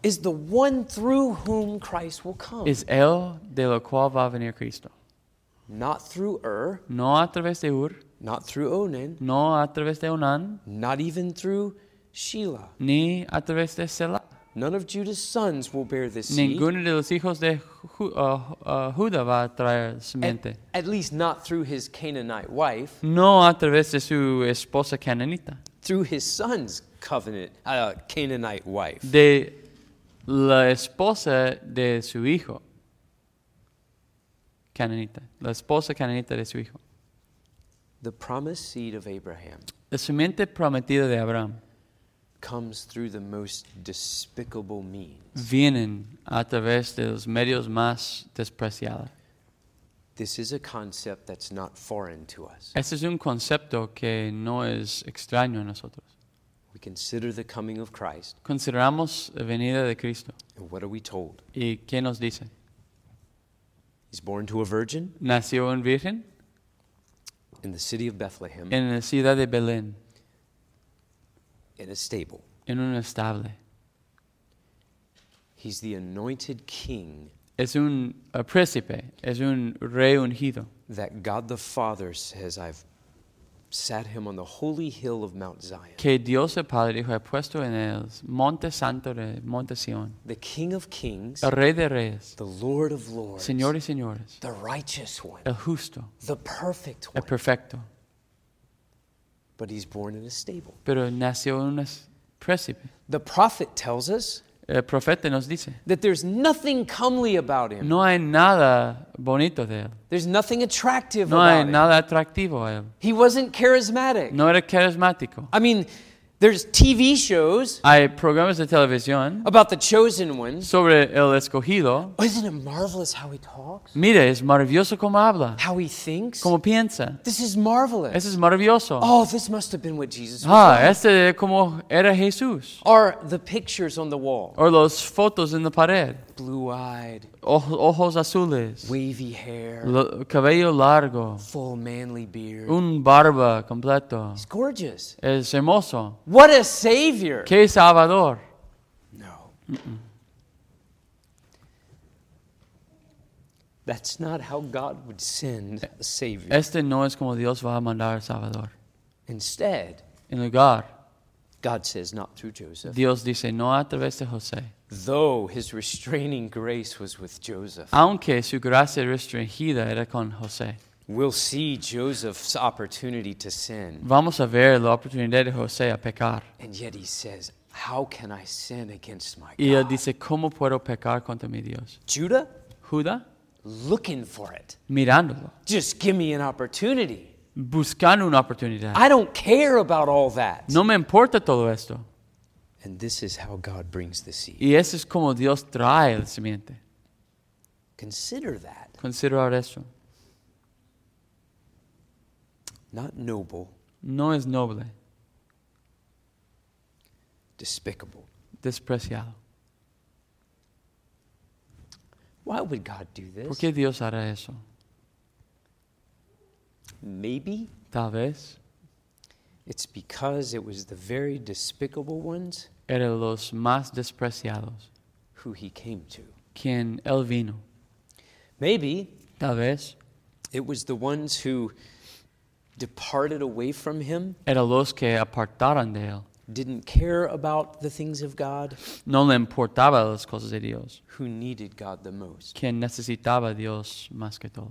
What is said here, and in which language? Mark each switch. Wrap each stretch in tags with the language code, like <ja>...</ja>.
<en>is the one through whom Christ will come.</en> <es>Es el de lo cual va a venir Cristo.</es> <en>Not through</en> <es>no a través de Ur.</es> <en>Not through Onan.</en> <es>No a través de Onan.</es> <en>Not even through Sheila.</en> <es>Ni a través de Sela.</es> <en>None of Judah's sons will bear this seed.</en> <es>Ninguno de los hijos de Judá va a traer simiente.</es> <en>At least not through his Canaanite wife.</en> <es>No a través de su esposa cananita.</es> <en>Through his son's covenant, Canaanite wife.</en> <es>De la esposa de su hijo.</es> <en>Cananita.</en> <es>La esposa cananita de su hijo.</es> <en>The promised seed of Abraham.</en> <es>La simiente prometida de Abraham.</es> <en>Comes through the most despicable means.</en> <es>Vienen a través de los medios más despreciados.</es> <en>This is a concept that's not foreign to us.</en> <es>Este es un concepto que no es extraño a nosotros.</es> <en>We consider the coming of Christ.</en> <es>Consideramos la venida de Cristo.</es> <en>And what are we told?</en> <es>¿Y qué nos dicen?</es> <en>He's born to a virgin.</en> <es>Nació en virgen.</es> <en>In the city of Bethlehem.</en> <es>En la ciudad de Belén.</es> <en>In a stable.</en> <es>En un estable.</es> <en>He's the anointed king.</en> <es>Es un príncipe. Es un rey ungido.</es> <en>That God the Father says, I've sat him on the holy hill of Mount Zion.</en> <es>Que Dios el Padre dijo, he puesto en el monte santo de Monte Sion.</es> <en>The king of kings.</en> <es>El rey de reyes.</es> <en>The lord of lords.</en> <es>Señor y señores.</es> <en>The righteous one.</en> <es>El justo.</es> <en>The perfect one.</en> <es>El perfecto.</es> <en>But he's born in a stable.</en> <es>Pero nació en un príncipe.</es> <en>The prophet tells us.</en> <es>El profeta nos dice.</es> <en>That there's nothing comely about him.</en> <es>No hay nada bonito de él.</es> <en>There's nothing attractive</en> <es>no</es> <en>about him.</en> <es>No hay nada atractivo a él.</es> <en>He wasn't charismatic.</en> <es>No era carismático.</es> <en>I mean, there's TV shows.</en> <es>Hay programas de televisión.</es> <en>About the chosen one.</en> <es>Sobre el escogido.</es> <en>Oh, isn't it marvelous how he talks?</en> <es>Mira, es maravilloso cómo habla.</es> <en>How he thinks.</en> <es>Cómo piensa.</es> <en>This is marvelous.</en> <es>Eso es maravilloso.</es> <en>Oh, this must have been what Jesus was</en> <es>like. Este es como era Jesús.</es> <en>Or the pictures on the wall.</en> <es>Or los fotos en la pared.</es> <en>Blue-eyed.</en> <es>Ojos azules.</es> <en>Wavy hair.</en> <es>Cabello largo.</es> <en>Full manly beard.</en> <es>Un barba completo.</es> <en>He's gorgeous.</en> <es>Es hermoso.</es> <en>What a savior.</en> <es>Qué salvador.</es> <en>No. Mm-mm. That's not how God would send a savior.</en> <es>Este no es como Dios va a mandar salvador.</es> <en>Instead.</en> <es>En lugar.</es> <en>God says not through Joseph.</en> <es>Dios dice no a través de José.</es> <en>Though his restraining grace was with Joseph.</en> <es>Aunque su gracia restringida era con José.</es> <en>We'll see Joseph's opportunity to sin.</en> <es>Vamos a ver la oportunidad de José a pecar.</es> <en>And yet he says, how can I sin against my God?</en> <es>Y él dice, ¿cómo puedo pecar contra mi Dios?</es> <en>Judah?</en> <es>Judah?</es> <en>Looking for it.</en> <es>Mirándolo.</es> <en>Just give me an opportunity.</en> <es>Buscando una oportunidad.</es> <en>I don't care about all that.</en> <es>No me importa todo esto.</es> <en>And this is how God brings the seed.</en> <es>Y eso es como Dios trae la simiente.</es> <en>Consider that.</en> <es>Considerar eso.</es> <en>Not noble.</en> <es>No es noble.</es> <en>Despicable.</en> <es>Despreciado.</es> <en>Why would God do this?</en> <es>¿Por qué Dios hará eso?</es> <en>Maybe.</en> <es>Tal vez.</es> <en>It's because it was the very despicable ones.</en> <es>Eran los más despreciados.</es> <en>Who he came to.</en> <es>Quien él vino.</es> <en>Maybe.</en> <es>Tal vez.</es> <en>It was the ones who departed away from him.</en> <es>Eran los que apartaron de él.</es> <en>Didn't care about the things of God.</en> <es>No le importaba las cosas de Dios.</es> <en>Who needed God the most.</en> <es>Quien necesitaba a Dios más que todo.</es>